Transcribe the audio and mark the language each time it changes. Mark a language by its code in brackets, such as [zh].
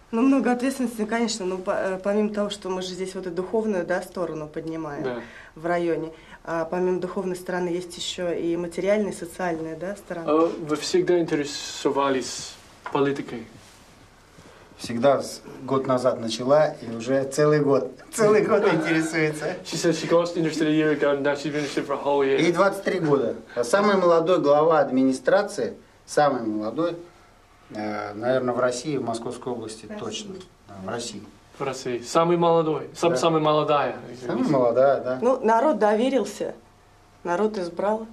[ru] Ну, много ответственности, конечно, но помимо того, что мы же здесь вот эту духовную, да, сторону поднимаем, да, в районе, а помимо духовной стороны есть еще и материальная, социальная, да, сторона. А вы всегда интересовались политикой? Всегда, год назад начала и уже целый год интересуется. [en] She said she got interested a year ago and now she's been interested for a whole year. [ru] И 23 года. А самый молодой глава администрации, самый молодой, наверное, в России, в Московской области, России. Точно. В России. В России. Самый молодой. Сам, да. Самая молодая. Самая молодая, да. Ну, народ доверился. Народ избрал.